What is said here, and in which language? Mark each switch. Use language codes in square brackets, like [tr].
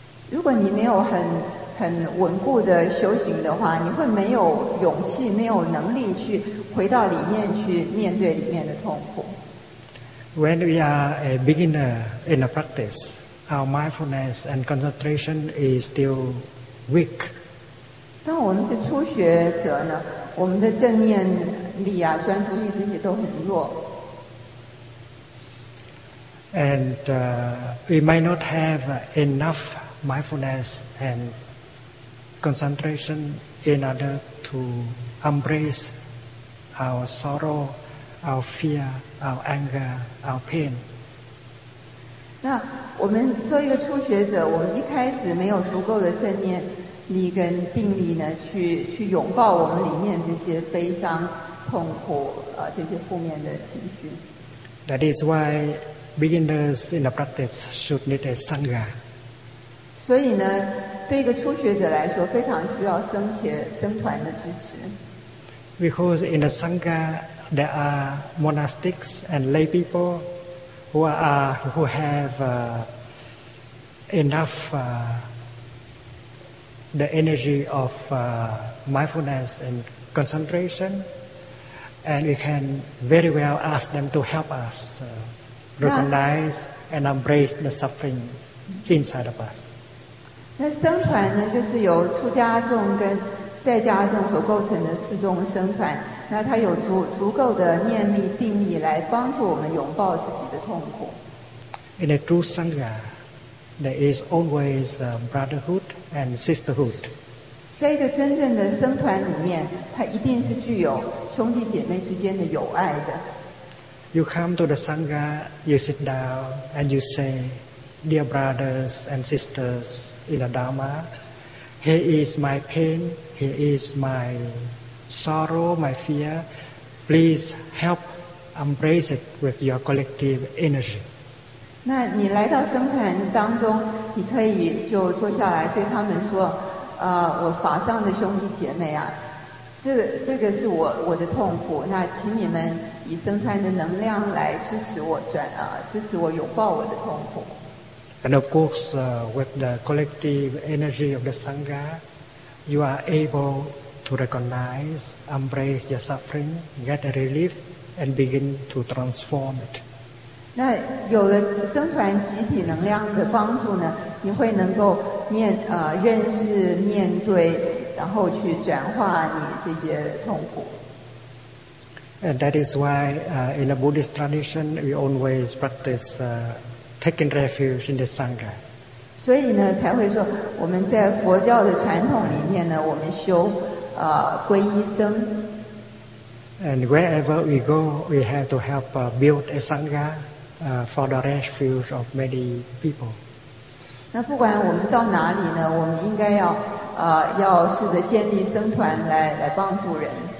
[zh] 如果你没有很稳固的修行的话，你会没有勇气、没有能力去回到里面去面对里面的痛苦。 [en] When we are a beginner in a practice, our mindfulness and concentration is still weak. [zh] 当我们是初学者呢，我们的正念力啊、专注力这些都很弱。 [en] And we might not have enough. Mindfulness and concentration in order to embrace our sorrow, our fear, our anger, our pain. [zh] 那我们做一个初学者，我们一开始没有足够的正念力跟定力呢，去拥抱我们里面这些悲伤、痛苦这些负面的情绪。 [en] That is why beginners in the practice should need a sangha. [zh] 所以呢，对一个初学者来说，非常需要僧团的支持。 [en] Because in the sangha there are monastics and lay people who have enough the energy of mindfulness and concentration, and we can very well ask them to help us recognize and embrace the suffering inside of us. [zh] 那僧团呢，就是由出家众跟在家众所构成的四众僧团，那它有足够的念力定力来帮助我们拥抱自己的痛苦。 [en] In a true sangha, there is always brotherhood and sisterhood. [zh] 在一个真正的僧团里面，它一定是具有兄弟姐妹之间的友爱的。 [en] You come to the sangha, you sit down, and you say. Dear brothers and sisters in the Dharma, here is my pain, here is my sorrow, my fear. Please help embrace it with your collective energy. [zh] 那你来到僧团当中，你可以就坐下来对他们说，我法上的兄弟姐妹啊，这个是我的痛苦。那请你们以僧团的能量来支持我支持我拥抱我的痛苦。 [en] And of course, with the collective energy of the Sangha, you are able to recognize, embrace your suffering, get a relief, and begin to transform it. [zh] 那有了僧团集体能量的帮助呢，你会能够认识、面对，然后去转化你这些痛苦。 [en] And that is why, in a Buddhist tradition, we always practice. Taking refuge in the sangha. [zh] 所以呢，才会说我们在佛教的传统里面呢，我们修皈依僧。 [en] And wherever we go, we have to help build a sangha for the refuge of many people. [zh] 那不管我们到哪里呢，我们应该要要试着建立僧团来帮助人。